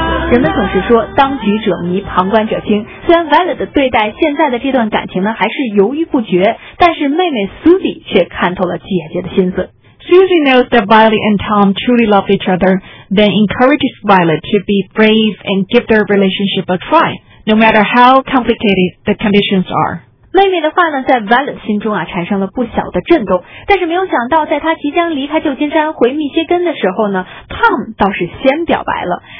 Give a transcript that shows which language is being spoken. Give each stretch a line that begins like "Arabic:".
Chinese: 人们总是说当局者迷旁观者清，虽然 Violet 对待现在的这段感情呢还是犹豫不决，但是妹妹 Susie 却看透了姐姐的心思。
English: Susie knows that Violet and Tom truly love each other, then encourages Violet to be brave and give their relationship a try, no matter how complicated the conditions are.
Chinese: 妹妹的话呢在 Violet 心中啊产生了不小的震动，但是没有想到在她即将离开旧金山回密歇根的时候呢， Tom 倒是先表白了。